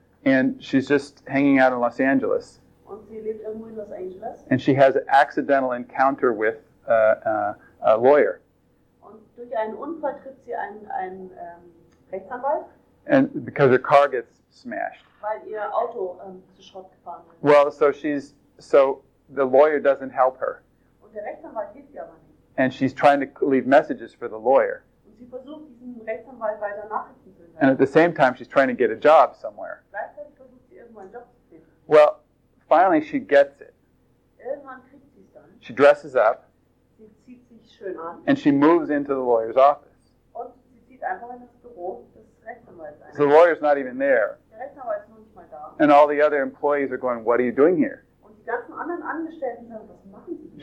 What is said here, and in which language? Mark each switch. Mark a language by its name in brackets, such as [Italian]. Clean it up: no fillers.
[English] And she's just hanging out in Los Angeles. [German] Und sie lebt irgendwo in Los Angeles. [English] And she has an accidental encounter with a lawyer. [German] Und durch einen Unfall trifft sie einen Rechtsanwalt. [English] And because her car gets smashed. [German] Weil ihr Auto zu Schrott gefahren ist. [English] Well, so the lawyer doesn't help her. [German] Und der Rechtsanwalt hilft ihr aber nicht. [English] And she's trying to leave messages for the lawyer. [German] Und sie versucht, diesen Rechtsanwalt weiter Nachrichten zu senden. [English] And at the same time, she's trying to get a job somewhere. [German] Gleichzeitig versucht sie, irgendwo einen Job zu finden. [English] Well, finally she gets it. [German] Irgendwann kriegt sie es dann. [English] She dresses up. [German] Sie zieht sich schön an. [English] And she moves into the lawyer's office. [German] Und sie zieht einfach in das Büro des Rechtsanwalts ein. [English] So the lawyer's not even there. [German] Der Rechtsanwalt ist noch nicht mal da. [English] And all the other employees are going, what are you doing here? [German] Und die ganzen anderen Angestellten sagen, was machen Sie hier?